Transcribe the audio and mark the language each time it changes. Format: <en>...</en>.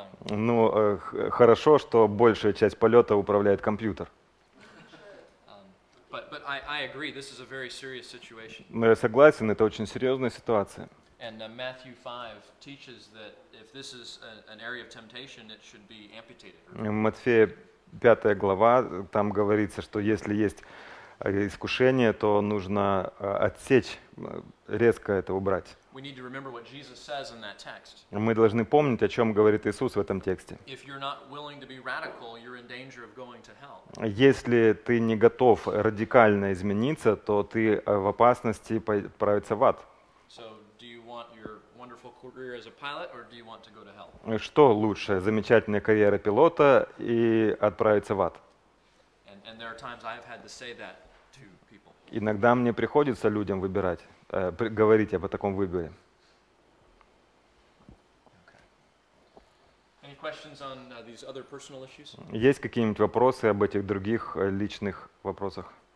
<ru>Ну, хорошо, что большая часть полета управляет компьютер.</ru> <en>But I agree, this is a very serious situation.</en> <ru>Но я согласен, это очень серьезная ситуация.</ru> <en>And Matthew 5 teaches that if this is an area of temptation, it should be amputated.</en> <ru>Матфея 5 глава, там говорится, что если есть искушение, то нужно отсечь, резко это убрать.</ru> <en>We need to remember what Jesus says in that text.</en> <ru>Мы должны помнить, о чем говорит Иисус в этом тексте.</ru> <en>If you're not willing to be radical, you're in danger of going to hell.</en> <ru>Если ты не готов радикально измениться, то ты в опасности отправиться в ад.</ru> <en>So, do you want your wonderful career as a pilot, or do you want to go to hell?</en> <ru>Что лучше, замечательная карьера пилота и отправиться в ад?</ru> <en>And there are times I've had to say that to people.</en> <ru>Иногда мне приходится людям выбирать. Говорить об таком выборе.</ru> <en>Okay. Any questions on these other personal issues?</en> <ru>Есть какие-нибудь вопросы об этих других личных вопросах?</ru>